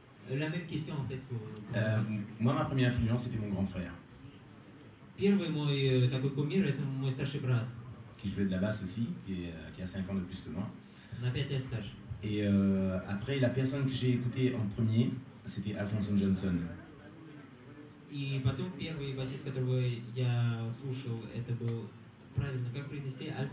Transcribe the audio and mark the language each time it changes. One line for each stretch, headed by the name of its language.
French: La même question en fait. Moi, ma première influence, c'était mon grand frère.
Russian: Первый мой такой кумир, это мой старший брат.
French: Qui jouait de la basse aussi, qui a 5 ans de plus que moi.
Russian: На 5 ans старше.
French: Et après, la personne que j'ai écoutée en premier, c'était Alphonse Johnson.
Russian: Et потом, первый басист, которого я слушал, это был... Правильно, как принести?